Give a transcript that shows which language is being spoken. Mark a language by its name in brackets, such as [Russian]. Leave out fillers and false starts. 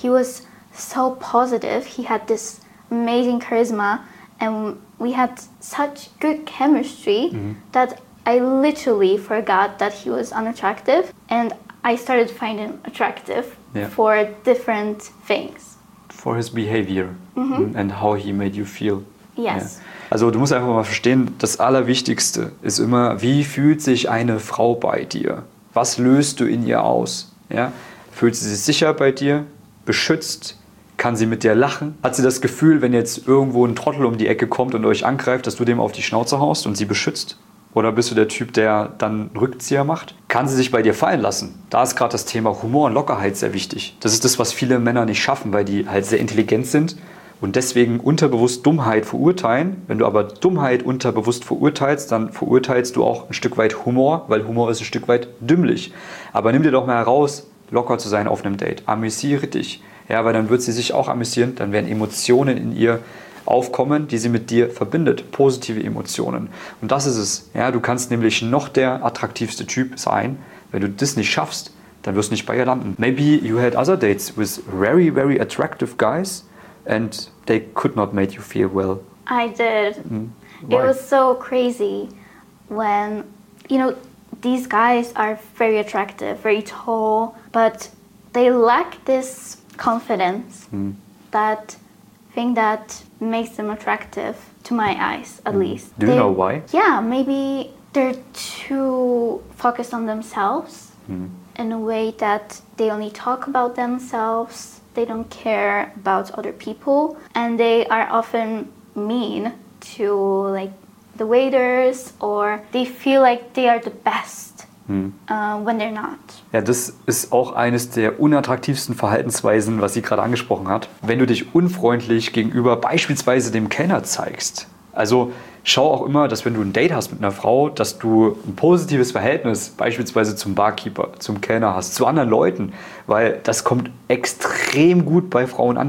[English] He was so positive. He had this amazing charisma. And we had such good chemistry mm-hmm. that I literally forgot that he was unattractive. And I started finding him attractive for different things. For his behavior mm-hmm. and how he made you feel. Yes. Yeah. [German] Also du musst einfach mal verstehen, das Allerwichtigste ist immer, wie fühlt sich eine Frau bei dir? Was löst du in ihr aus? Ja? Fühlt sie sich sicher bei dir? Beschützt? Kann sie mit dir lachen? Hat sie das Gefühl, wenn jetzt irgendwo ein Trottel um die Ecke kommt und euch angreift, dass du dem auf die Schnauze haust und sie beschützt? Oder bist du der Typ, der dann Rückzieher macht? Kann sie sich bei dir fallen lassen? Da ist gerade das Thema Humor und Lockerheit sehr wichtig. Das ist das, was viele Männer nicht schaffen, weil die halt sehr intelligent sind und deswegen unterbewusst Dummheit verurteilen. Wenn du aber Dummheit unterbewusst verurteilst, dann verurteilst du auch ein Stück weit Humor, weil Humor ist ein Stück weit dümmlich. Aber nimm dir doch mal heraus, locker zu sein auf einem Date. Amüsiere dich. Ja, weil dann wird sie sich auch amüsieren, dann werden Emotionen in ihr aufkommen, die sie mit dir verbindet, positive Emotionen. Und das ist es. Ja, du kannst nämlich noch der attraktivste Typ sein. Wenn du das nicht schaffst, dann wirst du nicht bei ihr landen. [English] Maybe you had other dates with very, very attractive guys and they could not make you feel well. I did. Why? It was so crazy when, you know, these guys are very attractive, very tall, but they lack this confidence, that thing that makes them attractive to my eyes, at least. Do you know why? Yeah, maybe they're too focused on themselves in a way that they only talk about themselves. They don't care about other people. And they are often mean to like the waiters, or they feel like they are the best. When they're not. [German] Ja, das ist auch eines der unattraktivsten Verhaltensweisen, was sie gerade angesprochen hat. Wenn du dich unfreundlich gegenüber beispielsweise dem Kellner zeigst, also schau auch immer, dass wenn du ein Date hast mit einer Frau, dass du ein positives Verhältnis beispielsweise zum Barkeeper, zum Kellner hast, zu anderen Leuten, weil das kommt extrem gut bei Frauen an.